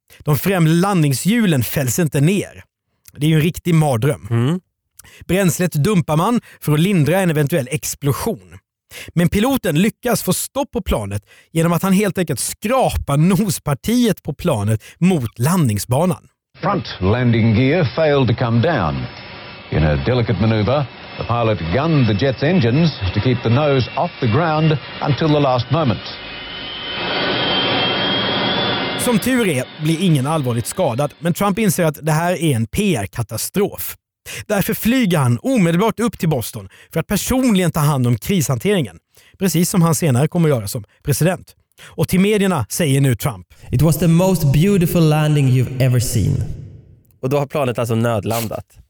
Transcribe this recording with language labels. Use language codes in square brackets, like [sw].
[sv] De främre landningshjulen fälls inte ner. Det är ju en riktig mardröm. Mm. Bränslet dumpar man för att lindra en eventuell explosion. Men piloten lyckas få stopp på planet genom att han helt enkelt skrapar nospartiet på planet mot landningsbanan. [en] Front landing gear failed to come down. In a delicate maneuver, the pilot gunned the jet's engines to keep the nose off the ground until the last moment. [sv] Som tur är blir ingen allvarligt skadad, men Trump inser att det här är en PR-katastrof. Därför flyger han omedelbart upp till Boston för att personligen ta hand om krishanteringen, precis som han senare kommer att göra som president. Och till medierna säger nu Trump: [en] "It was the most beautiful landing you've ever seen." [sv] Och då har planet alltså nödlandat.